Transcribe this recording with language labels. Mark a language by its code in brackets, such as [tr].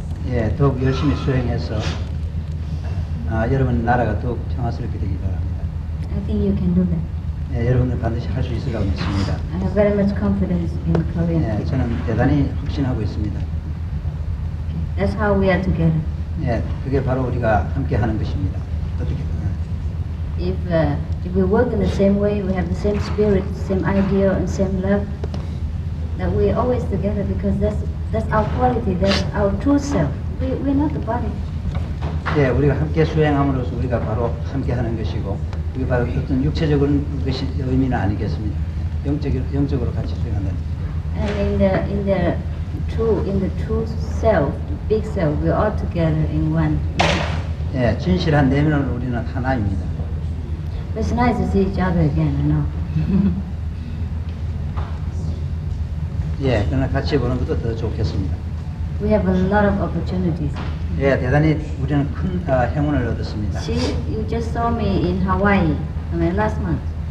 [ko] 예, 더욱 열심히 수행해서 여러분 나라가 더욱 평화스럽게 되기 바랍니다. [en] I think you can do that. [ko] 예, 여러분들 반드시 할 수 있을 거라고 믿습니다. [en] I have very much confidence in Korea. [ko] 예, 저는 대단히 확신하고 있습니다. [en] Okay. That's how we are together. [ko] 예, 그게 바로 우리가 함께 하는 것입니다. 어떻게 보면. [en] If we work in the same way, we have the same spirit, same idea, and same love, that we're always together because that's our quality, that's our true self. We're not the body. [ko] 예, 우리가 함께 수행함으로써 우리가 바로 함께 하는 것이고, 그게 바로 어떤 육체적인 것이 의미는 아니겠습니다. 영적으로 같이 수행하는. [en] And in the true self, big self, we all together in one. [ko] 예, 진실한 내면은 우리는 하나입니다. [en] It's nice to see each other again, you know. [ko] 예, 그러나 같이 보는 것도 더 좋겠습니다. [en] We have a lot of opportunities. [ko] 예, 대단히 우리는 큰 행운을 얻었습니다. [en] See, you just saw me in Hawaii, I mean, last month.